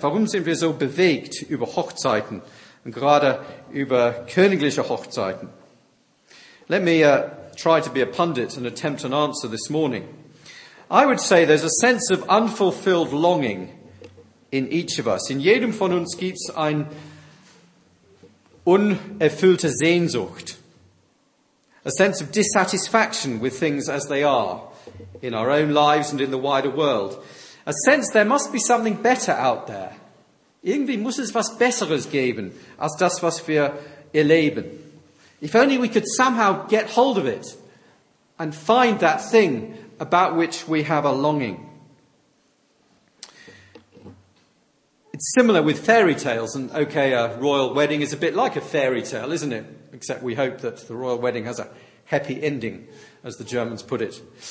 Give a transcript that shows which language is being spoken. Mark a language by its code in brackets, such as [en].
[de] Warum sind wir so bewegt über Hochzeiten und gerade über königliche Hochzeiten? [en] Let me try to be a pundit and attempt an answer this morning. I would say there's a sense of unfulfilled longing in each of us. [de] In jedem von uns gibt's ein unerfüllte Sehnsucht. [en] A sense of dissatisfaction with things as they are in our own lives and in the wider world. A sense there must be something better out there. [de] Irgendwie muss es was Besseres geben als das, was wir erleben. [en] If only we could somehow get hold of it and find that thing about which we have a longing. It's similar with fairy tales, and okay, a royal wedding is a bit like a fairy tale, isn't it? Except we hope that the royal wedding has a happy ending, as the Germans put it.